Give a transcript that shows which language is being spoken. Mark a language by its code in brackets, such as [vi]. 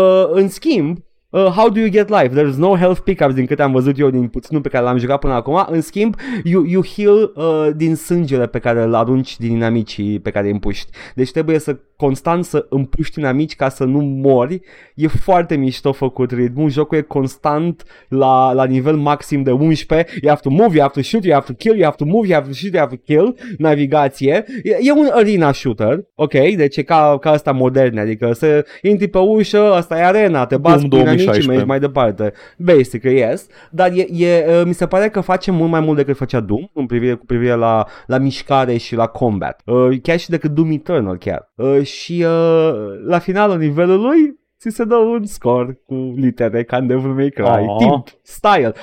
[ro] În schimb, [en] how do you get life? There's no health pickups [ro] din câte am văzut eu din puținul pe care l-am jucat până acum. În schimb, [en] you heal [ro] din sângele pe care îl arunci din inamicii pe care îi împuști. Deci trebuie să constant să împuști inamici ca să nu mori. E foarte mișto făcut ritmul. Jocul e constant la nivel maxim de 11. [en] You have to move, you have to shoot, you have to kill, you have to move, you have to shoot, you have to kill. [ro] Navigație. E un arena shooter. Ok? Deci e ca asta modern. Adică să intri pe ușă, asta e arena, te bați cu inamicii, mergi mai departe. [en] Basic, yes. [ro] Dar mi se pare că face mult mai mult decât făcea Doom cu privire la mișcare și la combat. Chiar și decât Doom Eternal, chiar. Și la finalul nivelului ți se dă un scor cu litere ca în Devil May Cry. Aww. Timp, style.